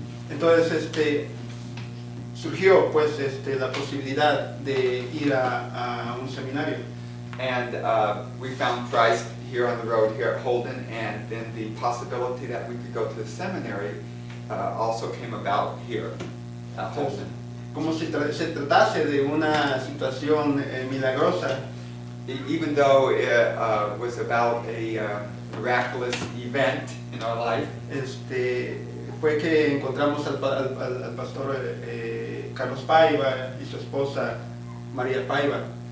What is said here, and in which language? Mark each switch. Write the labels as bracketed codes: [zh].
[es] Entonces surgió pues la posibilidad de ir a un seminario. [en] And we found Christ here on the road here at Holden, and then the possibility that we could go to the seminary also came about here at Holden. [es] Como si se tratase de una situación milagrosa. [en] Even though it was about a miraculous event in our life, [es] fue que encontramos al pastor Carlos Paiva y su esposa María Paiva.